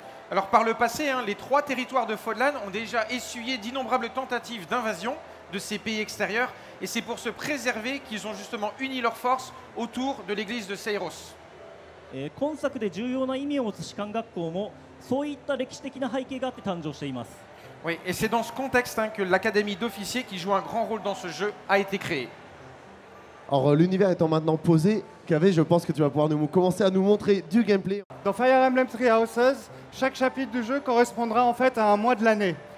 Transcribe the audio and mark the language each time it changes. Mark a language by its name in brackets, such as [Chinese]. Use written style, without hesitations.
[French] Alors par le passé, hein, les trois territoires de Fodlan ont déjà essuyé d'innombrables tentatives d'invasion de ces pays extérieurs et c'est pour se préserver qu'ils ont justement uni leurs forces autour de l'église de Seiros. [Japanese] 今作で重要な意味を持つ士官学校もそういった歴史的な背景があって誕生しています。 [French] Oui, et c'est dans ce contexte hein, que l'académie d'officiers qui joue un grand rôle dans ce jeu a été créée. Alors l'univers étant maintenant posé, Kaveh, je pense que tu vas pouvoir nous commencer à nous montrer du gameplay. Dans Fire Emblem Three Houses, chaque chapitre du jeu correspondra en fait à un mois de l'année.